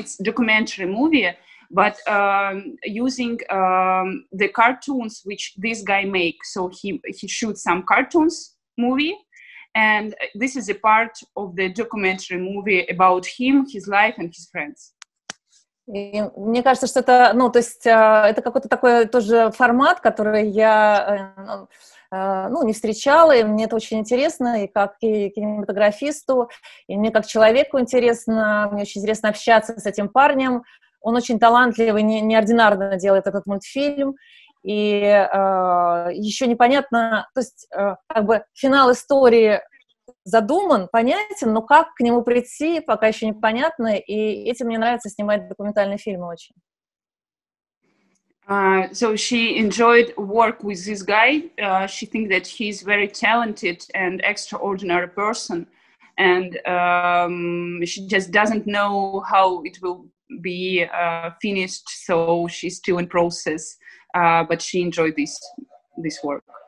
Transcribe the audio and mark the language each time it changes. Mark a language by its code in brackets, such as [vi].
[en] It's documentary movie, but using the cartoons which this guy make. So he shoots some cartoons movie, and this is a part of the documentary movie about him, his life, and his friends. [ru] И мне кажется, что это, ну, то есть, это какой-то такой тоже формат, который я, ну, не встречала, и мне это очень интересно, и как и кинематографисту, и мне как человеку интересно, мне очень интересно общаться с этим парнем, он очень талантливый, неординарно делает этот мультфильм, и еще непонятно, то есть, как бы, финал истории задуман, понятен, но как к нему прийти, пока еще непонятно, и этим мне нравится снимать документальные фильмы очень. [en] So she enjoyed work with this guy. She thinks that he's very talented and extraordinary person, and she just doesn't know how it will be finished, so she's still in process, but she enjoyed this work.